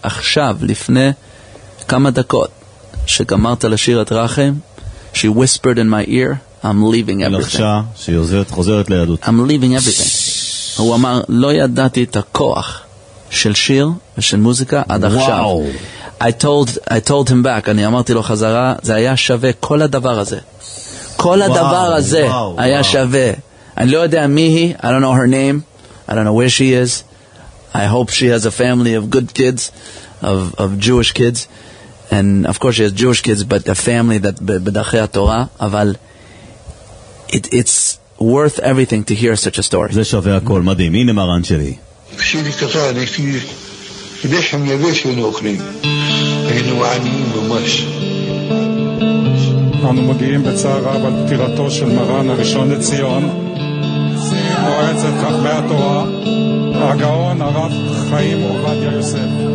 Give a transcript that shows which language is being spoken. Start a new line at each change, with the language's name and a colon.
Hebrew: עכשיו, לפני כמה דקות שגמרת לשיר את רחם, she whispered in my ear, I'm leaving everything. לחשה שהיא עוזרת, חוזרת לידות.
English: I'm leaving everything.
Hebrew: הוא אמר, לא ידעתי את הכוח של שיר ושל מוזיקה עד עכשיו.
English: I told him back,
Hebrew: אני אמרתי לו חזרה, זה היה שווה כל הדבר הזה. כל הדבר הזה היה שווה. אני לא יודע מי היא,
English: I don't know her name, I don't know where she is, I hope she has a family of good kids, of Jewish kids, and of course she has Jewish kids, but a family that
Hebrew: בדרכי התורה, אבל
English: it's worth everything to hear such a story.
Hebrew: זה שווה הכל, מדהים. הנה מרן שלי. בשביל קטן, יש לי לחם יבש היינו אוכלים. היינו עניים ממש. אנו מגיעים בצער רב על פטירתו של מרן הראשון לציון, מועצת את חכמי התורה, הגאון הרב חיים עובדיה יוסף.